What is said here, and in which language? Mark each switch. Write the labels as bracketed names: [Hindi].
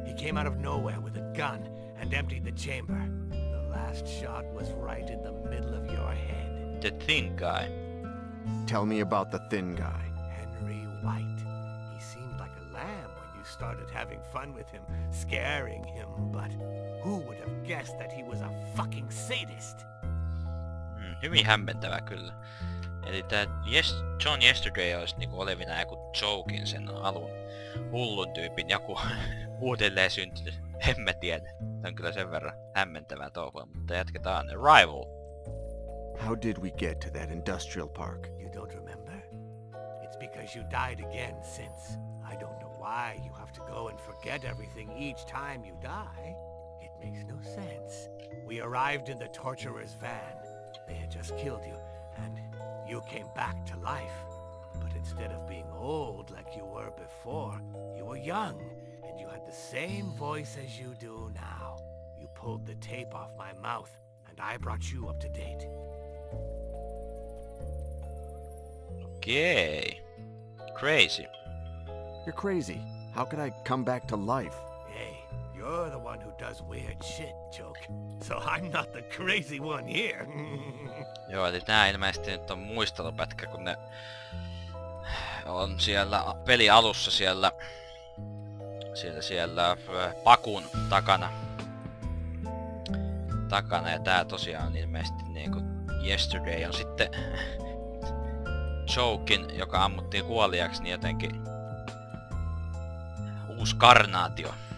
[English] He came out of nowhere with a gun and emptied the chamber. The last shot was right in the middle of your head. The thin guy. Tell me about the thin guy. Henry White. He seemed like a lamb when you started having fun with him, scaring him, but... Who would have guessed that he was a fucking sadist? [Finnish] Hyvin hämmentävä kyllä. Eli tää John Yesterday olisi niinku olevina joku Jokin sen alun hullun tyypin joku uudelleen syntynyt. En mä tiedä. Tää on kyllä sen verran hämmentävää toukoa, mutta jatketaan. [English] Arrival! How did we get to that industrial park? You don't remember? It's because you died again since. I don't know why you have to go and forget everything each time you die. Makes no sense. We arrived in the torturer's van. They had just killed you, and you came back to life. But instead of being old like you were before, you were young, and you had the same voice as you do now. You pulled the tape off my mouth, and I brought you up to date. Okay. Crazy. You're crazy. How could I come back to life? You're the one who does weird shit, Choke. So I'm not the crazy one here. [Finnish] Joo, eli tää ilmeisesti nyt on muistelupätkä, kun ne on siellä peli alussa siellä pakun takana. Ja tää tosiaan ilmeisesti niinku Yesterday on sitten Chokin, joka ammuttiin kuolijaksi, niin jotenkin uusi karnaatio.